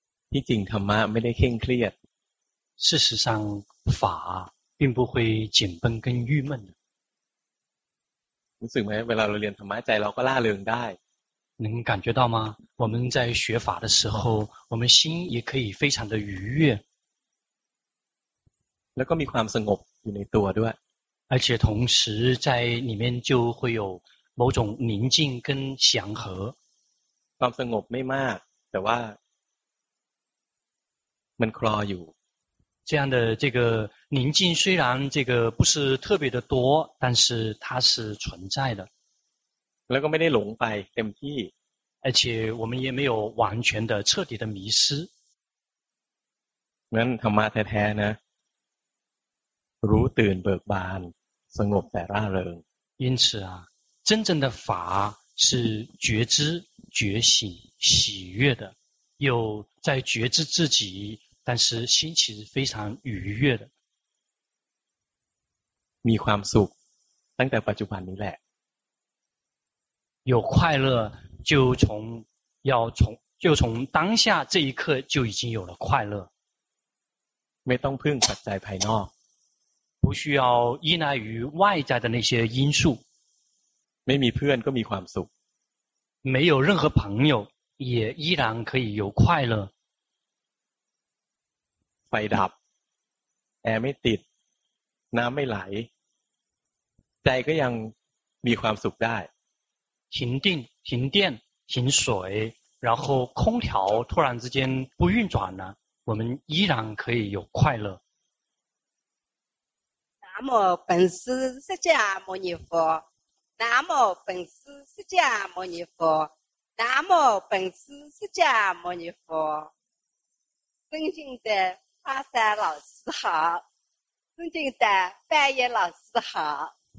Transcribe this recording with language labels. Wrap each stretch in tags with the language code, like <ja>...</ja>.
<th>ที่จริงธรรมะไม่ได้เคร่งเครียด</th> <zh>事实上法并不会紧绷跟郁闷</zh> <th>รู้สึกไหมเวลาเราเรียนธรรมะใจเราก็ล่าเริงได้</th> <zh>能感觉到吗我们在学法的时候我们心也可以非常的愉悦</zh> <th>แล้วก็มีความสงบอยู่ในตัวด้วย</th> <zh>而且同时在里面就会有某种宁静跟祥和</zh> <th>ความสงบไม่มากแต่ว่ามันคลออยู่</th> <zh>这样的这个宁静虽然这个不是特别的多但是它是存在的</zh> <th>แล้วก็ไม่ได้หลงไปเต็มที่</th> <zh>而且我们也没有完全的彻底的迷失</zh> <th>งั้นธรรมะแท้ๆนะรู้ตื่นเบิกบานสงบแต่ร่าเริง</th> <zh>因此啊真正的法是觉知觉醒喜悦的有在觉知自己但是心其实非常愉悦的</zh> <th>มีความสุขตั้งแต่ปัจจุบันนี้แหละ</th> <zh>有快乐就从当下这一刻就已经有了快乐</zh> <th>ไม่ต้องพึ่งปัจจัยภายนอก</th> <zh>不需要依赖于外在的那些因素</zh> <th>ไม่มีเพื่อนก็มีความสุข</th> <zh>没有任何朋友也依然可以有快乐</zh> <th>ไฟดับแอร์ไม่ติดน้ำไม่ไหลใจก็ยังมีความสุขได้</th> <zh>停电停电停水然后空调突然之间不运转了我们依然可以有快乐南无本师释迦牟尼佛南无本师释迦牟尼佛南无本师释迦牟尼佛尊敬的华山老师好尊敬的翻译老师好</zh>